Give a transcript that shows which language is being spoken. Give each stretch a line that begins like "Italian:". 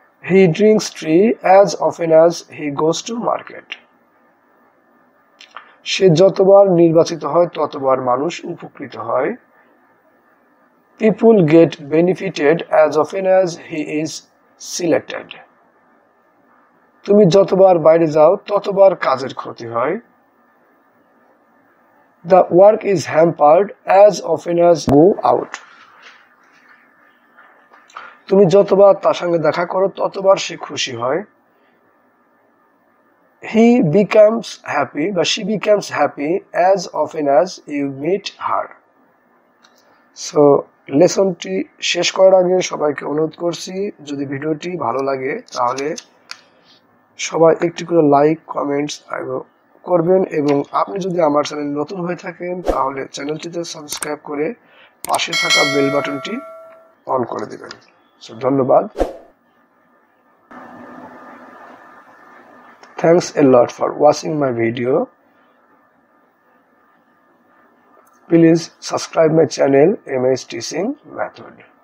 English: He drinks tea as often as he goes to market.
Bangla: সে যতবার নির্বাচিত হয় ততবার মানুষ উপকৃত হয়।
English: People get benefited as often as he is selected.
Bangla: তুমি যতবার বাইরে যাও ততবার কাজের ক্ষতি হয়।
English: The work is hampered as often as go out.
Bangla: তুমি যতবার তার সঙ্গে দেখা করো ততবার সে খুশি হয়।
English: He becomes happy বা she becomes happy as often as you meet her.
Bangla: So লেসনটি শেষ করার আগে সবাইকে অনুরোধ করছি, যদি ভিডিওটি ভালো লাগে তাহলে সবাই একটু করে লাইক কমেন্টস করবেন, এবং আপনি যদি আমার চ্যানেল নতুন হয়ে থাকেন তাহলে চ্যানেলটিতে সাবস্ক্রাইব করে পাশে থাকা বেল বাটনটি অন করে দেবেন। So, ধন্যবাদ।
English: Thanks a lot for watching my video. Please subscribe my channel, MH Teaching Method.